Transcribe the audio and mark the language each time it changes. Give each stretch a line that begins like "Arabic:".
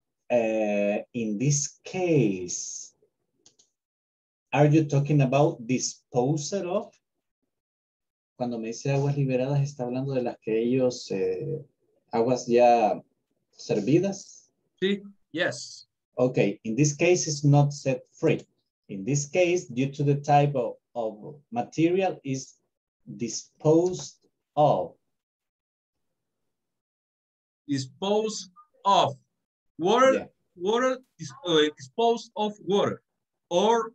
English: In this case, are you talking about disposal of?
Spanish: Cuando me dice aguas liberadas, está hablando de las que ellos, aguas ya servidas?
English: Sí, yes. Okay, in this case, it's not set free. In this case, due to the type of material, is disposed of. Dispose of water, yeah. Water, dispose of water, or